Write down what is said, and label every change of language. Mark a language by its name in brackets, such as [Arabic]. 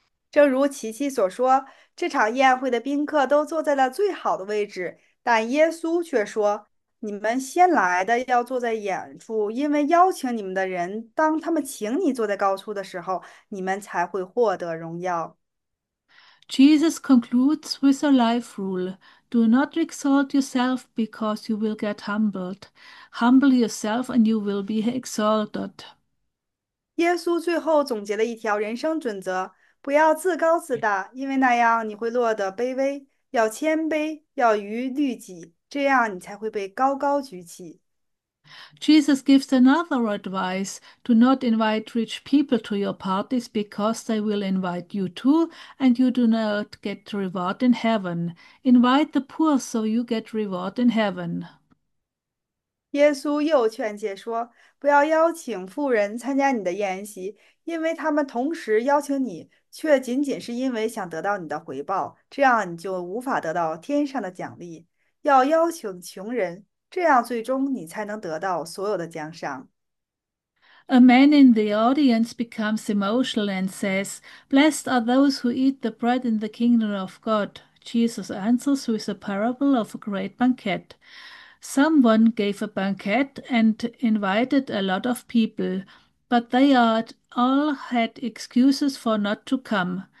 [Chinese] 正如琪琪所说，这场宴会的宾客都坐在了最好的位置，但耶稣却说：“你们先来的要坐在远处，因为邀请你们的人，当他们请你坐在高处的时候，你们才会获得荣耀。” [English] Jesus concludes with a life rule. Do not exalt yourself because you will get humbled. Humble yourself and you will be exalted. [Chinese] 耶稣最后总结了一条人生准则。不要自高自大，因为那样你会落得卑微。要谦卑，要逾律己，这样你才会被高高举起。 [English] Jesus gives another advice. Do not invite rich people to your parties because they will invite you too, and you do not get reward in heaven. Invite the poor so you get reward in heaven. [Chinese] 耶稣又劝诫说：“不要邀请富人参加你的宴席，因为他们同时邀请你，却仅仅是因为想得到你的回报，这样你就无法得到天上的奖励。要邀请穷人，这样最终你才能得到所有的奖赏。” [English] A man in the audience becomes emotional and says, "Blessed are those who eat the bread in the kingdom of God." Jesus answers with a parable of a great banquet. Someone gave a banquet and invited a lot of people, but they all had excuses for not to come.